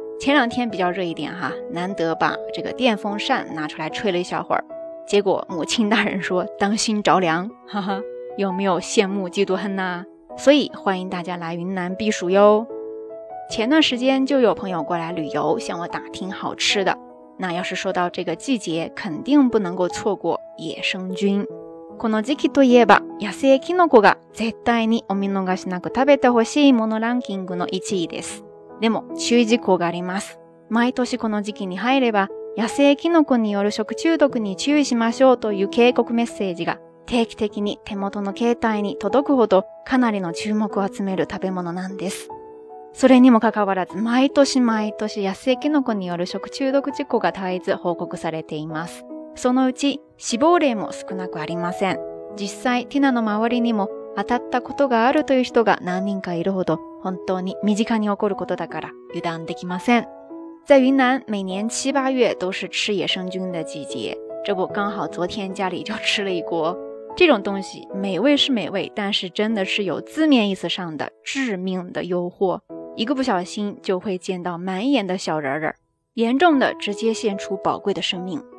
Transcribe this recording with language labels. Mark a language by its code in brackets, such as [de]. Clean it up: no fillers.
[zh] 前两天比较热一点哈，难得把这个电风扇拿出来吹了一小会儿，结果母亲大人说当心着凉，哈哈，有没有羡慕嫉妒恨呢？所以欢迎大家来云南避暑哟。前段时间就有朋友过来旅游，向我打听好吃的。那要是说到这个季节，肯定不能够错过野生菌。 [ja] この時期といえば、野生キノコが絶対にお見逃しなく食べてほしいものランキングの1位です。でも注意事項があります。毎年この時期に入れば、野生キノコによる食中毒に注意しましょうという警告メッセージが定期的に手元の携帯に届くほど、かなりの注目を集める食べ物なんです。それにもかかわらず、毎年毎年野生キノコによる食中毒事故が絶えず報告されています。そのうち死亡例も少なくありません。実際ティナの周りにも当たったことがあるという人が何人かいるほど、本当に身近に起こることだから油断できません。 [zh] 在云南，每年七八月都是吃野生菌的季节。这不刚好昨天家里就吃了一锅。这种东西美味是美味，但是真的是有字面意思上的致命的诱惑。一个不小心就会见到满眼的小人儿，严重的直接献出宝贵的生命。